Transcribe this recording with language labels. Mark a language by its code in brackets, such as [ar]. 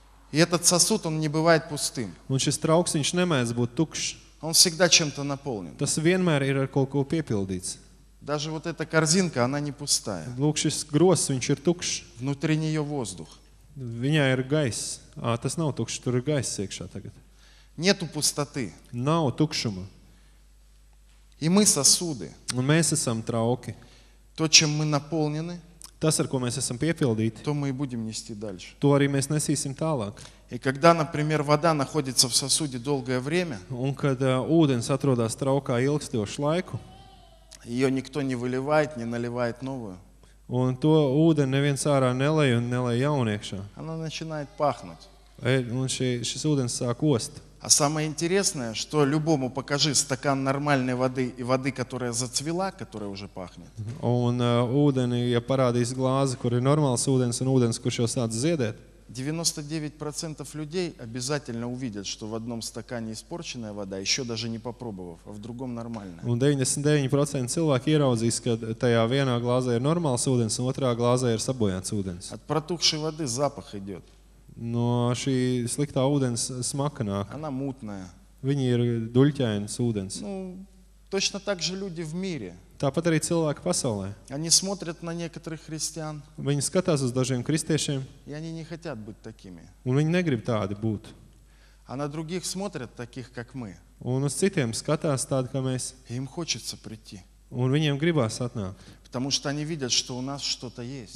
[ru] И этот сосуд он не бывает пустым. [lv] Un šis trauks viņš nemēdz būt tukšs. [ru] Он всегда чем-то наполнен. [lv] Tas vienmēr ir ar kaut ko piepildīts. [ru] Даже вот эта корзинка, она не пустая. [lv] Lūk, šis gros, viņš ir tukšs. [ru] Внутри неё воздух. [lv] Viņā ir gaiss. А, tas nav tukšs, tur ir gaiss iekšā tagad. [ru] Нету пустоты. [lv] Nav tukšuma. [ru] И мы сосуды. [lv] Un mēs esam trauki. [ru] То, чем мы наполнены, [lv] tas, ar ko mēs esam piepildīti, [ru] то мы и будем нести дальше. [lv] То arī mēs nesīsim tālāk. [ru] И когда, например, вода находится в сосуде долгое время, [lv] un kad ūdens atrodas traukā ilgstošu laiku, [ru] ее никто не выливает, не наливает новую, [lv] un to ūdeni neviens ārā nelej un nelej jauniekšā, [ru] она начинает пахнуть. [lv] Un šis ūdens sāk ost. [ru] А самое интересное, что любому покажи стакан нормальной воды и воды, которая зацвела, которая уже пахнет. [lv] Un ūdeni, ja parādīs glāzi, kur ir normāls ūdens un ūdens, kurš jau sāc ziedēt. [ru] 99% людей обязательно увидят, что в одном стакане испорченная вода, еще даже не попробовав, а в другом нормальная. [lv] Un 99% cilvēki ieraudzīs, ka tajā vienā glāzē ir normāls ūdens, un otrā glāzē ir sabojāts ūdens. [ru] От протухшей воды запах идет. Но ши сликта ūdens смака нак. Она мутная. [lv] Viņi ir duļķainas ūdens. [ru] Ну, точно так же люди в мире. [lv] Tāpat arī cilvēki pasaulē. [ru] Они смотрят на некоторых христиан. [lv] Viņi skatās uz dažiem kristiešiem. [ru] И они не хотят быть такими. [lv] Un viņi negrib tādi būt. [ru] А на других смотрят таких, как мы. [lv] Un uz citiem skatās tādi, kā mēs. [ru] Им хочется прийти. [lv] Un viņiem gribās atnākt. [ru] Потому что они видят, что у нас что-то есть.